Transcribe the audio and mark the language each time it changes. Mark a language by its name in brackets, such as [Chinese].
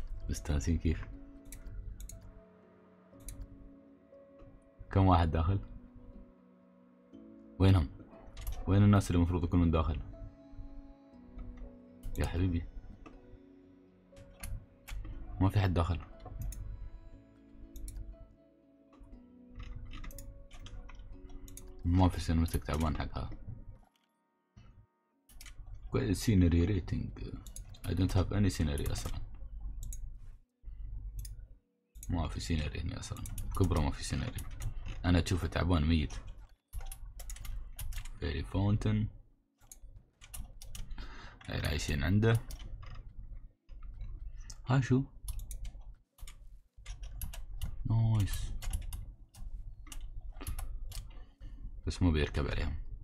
[Arabic] مستانسين كيف؟ كم واحد داخل؟ وينهم؟ وين الناس اللي المفروض يكونون داخل؟ يا حبيبي ما في حد داخل. ما في سينماتك تعبان حقها. [English] Scenery rating, I don't have any scenery اصلا. [Arabic] ما في سيناري هنا اصلا، كبرى ما في سيناري. انا اشوفه تعبان ميت. فيري فونتن، هاي العايشين عنده. هاي شو؟ نايس، بس مو بيركب عليهم.